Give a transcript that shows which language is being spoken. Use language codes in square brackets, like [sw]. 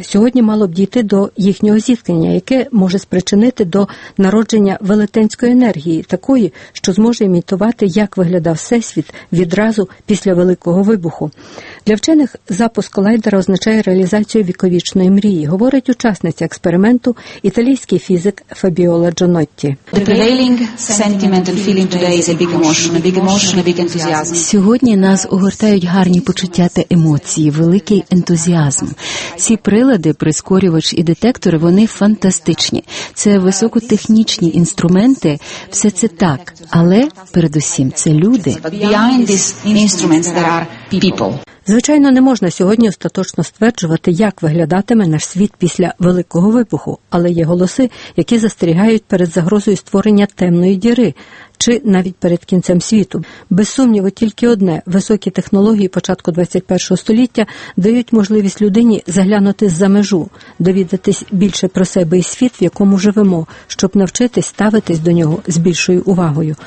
[uk] Сьогодні мало б дійти до їхнього зіткнення, яке може спричинити до народження велетенської енергії, такої, що зможе імітувати, як виглядав Всесвіт відразу після великого вибуху. Для вчених запуск колайдера означає реалізацію віковічної мрії, говорить учасниця експерименту, італійський фізик Фабіола Джонотті. [en] The prevailing sentiment and feeling today is a big emotion, a big enthusiasm. [uk] Сьогодні нас огортають гарні почуття та емоції, великий ентузіазм. Ці прилади, прискорювач і детектори, вони фантастичні. Це високотехнічні інструменти, все це так, але передусім це люди. [en] Behind these instruments there are people. [uk] Звичайно, не можна сьогодні остаточно стверджувати, як виглядатиме наш світ після великого вибуху, але є голоси, які застерігають перед загрозою створення темної діри, чи навіть перед кінцем світу. Без сумніву, тільки одне – високі технології початку 21 століття дають можливість людині заглянути за межу, довідатись більше про себе і світ, в якому живемо, щоб навчитись ставитись до нього з більшою увагою.